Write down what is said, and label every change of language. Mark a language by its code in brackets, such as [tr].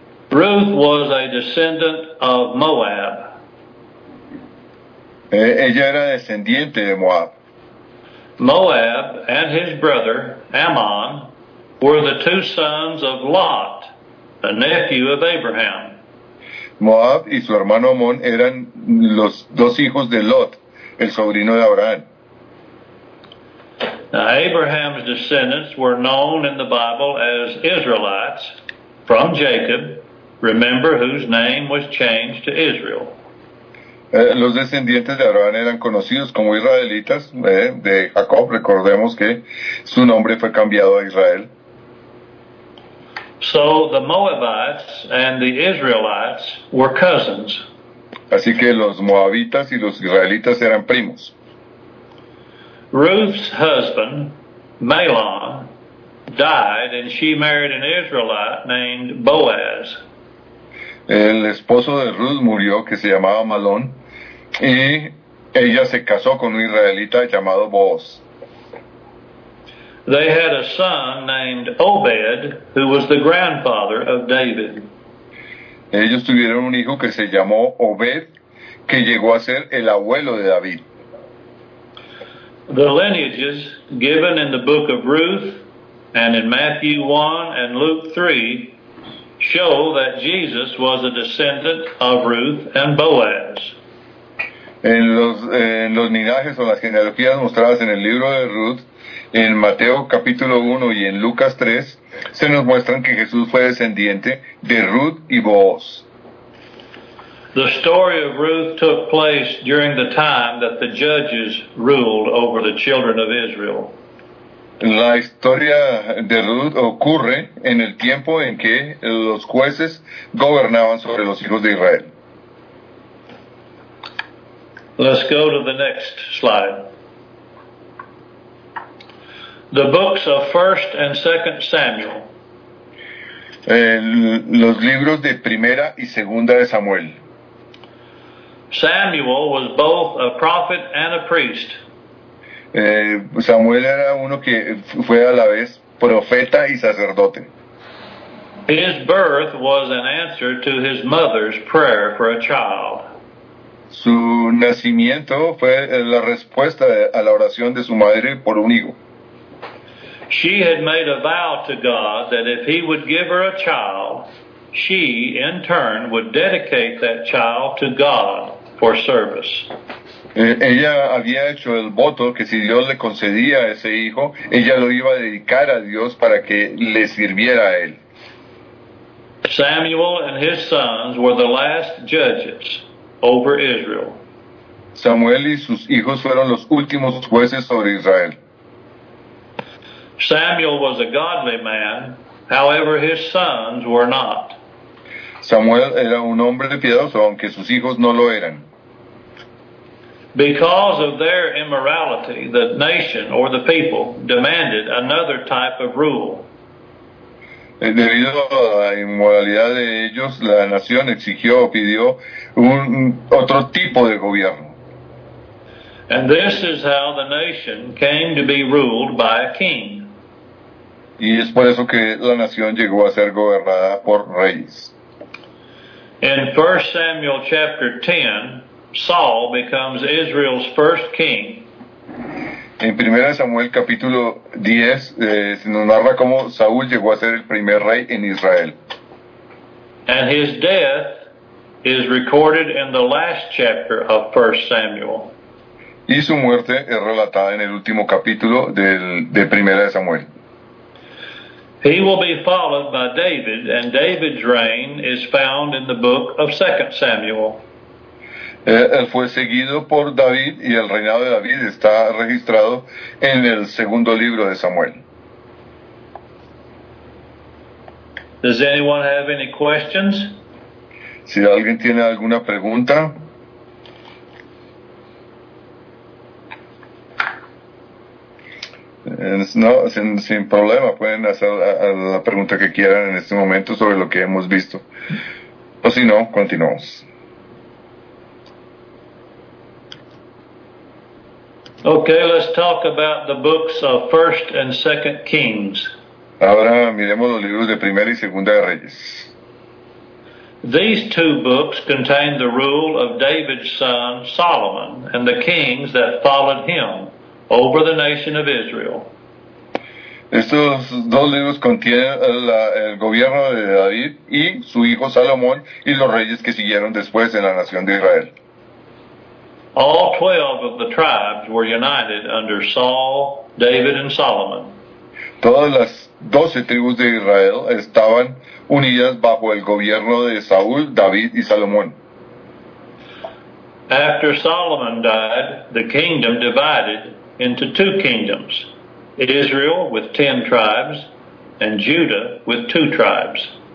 [en] Ruth was a descendant of Moab. [es] Ella era descendiente de Moab. [en] Moab and his brother, Ammon, were the two sons of Lot, a nephew of Abraham. [es] Moab y su hermano Ammon eran los dos hijos de Lot, el sobrino de Abraham. [en] Now, Abraham's descendants were known in the Bible as Israelites from Jacob, remember whose name was changed to Israel. [es] Los descendientes de Abraham eran conocidos como israelitas de Jacob, recordemos que su nombre fue cambiado a Israel. [en] So the Moabites and the Israelites were cousins. [es] Así que los moabitas y los israelitas eran primos. [en] Ruth's husband, Mahlon, died and she married an Israelite named Boaz. [es] El esposo de Ruth murió, que se llamaba Mahlon, y ella se casó con un israelita llamado Boaz. [en] They had a son named Obed, who was the grandfather of David. [es] Ellos tuvieron un hijo que se llamó Obed, que llegó a ser el abuelo de David. [en] The lineages given in the book of Ruth and in Matthew 1 and Luke 3 show that Jesus was a descendant of Ruth and Boaz. [es] En los linajes o las genealogías mostradas en el libro de Ruth, en Mateo capítulo 1 y en Lucas 3, se nos muestran que Jesús fue descendiente de Ruth y Boaz. [en] The story of Ruth took place during the time that the judges ruled over the children of Israel. [es] La historia de Ruth ocurre en el tiempo en que los jueces gobernaban sobre los hijos de Israel. [en] Let's go to the next slide. The books of 1st and 2nd Samuel. [es] Los libros de Primera y Segunda de Samuel. [en] Samuel was both a prophet and a priest. [es] Samuel era uno que fue a la vez profeta y sacerdote. [en] His birth was an answer to his mother's prayer for a child. [es] Su nacimiento fue la respuesta a la oración de su madre por un hijo. [en] She had made a vow to God that if he would give her a child, she in turn would dedicate that child to God for service. [es] Ella había hecho el voto que si Dios le concedía a ese hijo, ella lo iba a dedicar a Dios para que le sirviera a él. [en] Samuel and his sons were the last judges over Israel. [es] Samuel y sus hijos fueron los últimos jueces sobre Israel. [en] Samuel was a godly man, however his sons were not. [es] Samuel era un hombre piadoso, aunque sus hijos no lo eran. [en] Because of their immorality, the nation or the people demanded another type of rule. [es] Debido a la inmoralidad de ellos, la nación exigió o pidió un otro tipo de gobierno. [en] And this is how the nation came to be ruled by a king. [es] Y es por eso que la nación llegó a ser gobernada por reyes. [en] In 1 Samuel chapter 10, Saul becomes Israel's first king. [es] En 1 Samuel capítulo 10, se nos narra cómo Saúl llegó a ser el primer rey en Israel. [en] And his death is recorded in the last chapter of 1 Samuel. [es] Y su muerte es relatada en el último capítulo de 1 Samuel. [en] He will be followed by David, and David's reign is found in the book of 2 Samuel. [es] Él fue seguido por David y el reinado de David está registrado en el segundo libro de Samuel. [en] Does anyone have any questions? [es] Si alguien tiene alguna pregunta. No, sin problema, pueden hacer la pregunta que quieran en este momento sobre lo que hemos visto. O si no, continuamos. [en] Okay, let's talk about the books of 1 and 2 Kings. [es] Ahora miremos los libros de Primera y Segunda de Reyes. [en] These two books contain the rule of David's son Solomon and the kings that followed him over the nation of Israel. [es] Estos dos libros contienen el gobierno de David y su hijo Salomón y los reyes que siguieron después en la nación de Israel. [en] All 12 of the tribes were united under Saul, David, and Solomon. [es] Todas las 12 tribus de Israel estaban unidas bajo el gobierno de Saúl, David, y Salomón. [en] After Solomon died, the kingdom divided into two kingdoms, Israel with 10 tribes, and Judah with 2 tribes.